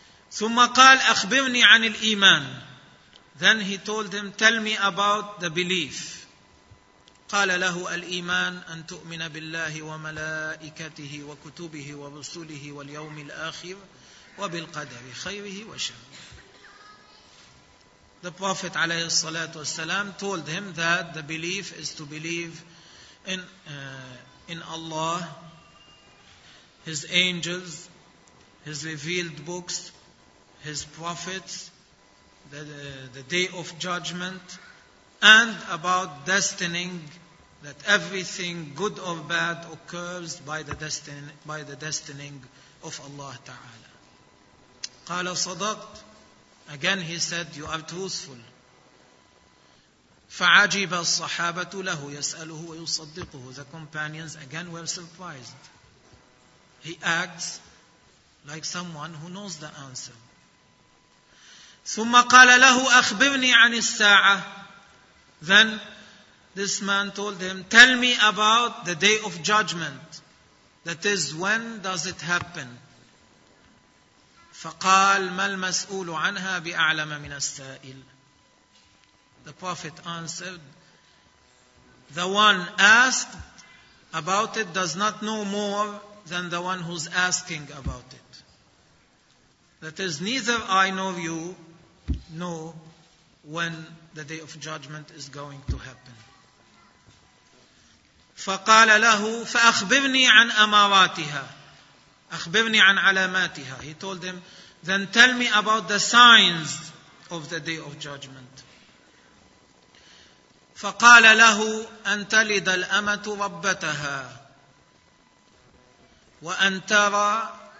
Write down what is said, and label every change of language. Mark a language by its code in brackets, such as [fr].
[ar] ثم قال أخبرني عن الإيمان. [en] Then he told him, tell me about the belief. [ar] قال له الإيمان أن تؤمن بالله وملائكته وكتبه ورسله واليوم الآخر وبالقدر خيره وشره. [en] The Prophet [ar] عليه الصلاة والسلام [en] told him that the belief is to believe in Allah, His angels, His revealed books, His prophets, the day of judgment, and about destining, that everything good or bad occurs by the destining of Allah Ta'ala. [ar] قال صدقت. [en] Again he said, you are truthful. [ar] فعجب الصحابة له يسأله ويصدقه. [en] The companions again were surprised. He acts like someone who knows the answer. [ar] ثم قال له أخبرني عن الساعة. [en] Then this man told him, tell me about the day of judgment. That is, when does it happen? [ar] فقال ما المسؤول عنها بأعلم من السائل. [en] The Prophet answered, the one asked about it does not know more than the one who's asking about it. That is, neither I nor you know when the day of judgment is going to happen. [ar] فقال له فأخبرني عن أماراتها. أخبرني عن علاماتها. [en] He told him, then tell me about the signs of the day of judgment. [ar] فقال له أن تلد الأمة ربتها وأن ترى.